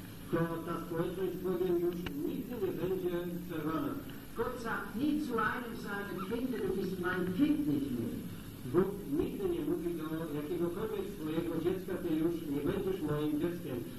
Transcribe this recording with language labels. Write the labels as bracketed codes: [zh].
[pl] to ta społeczność z Bogiem już nigdy nie będzie przerwana. [de] Gott sagt nie zu einem seiner Kinder, du bist mein Kind nicht mehr. [pl] Bóg nigdy nie mówi do jakiegokolwiek swojego dziecka, ty już nie będziesz moim dzieckiem.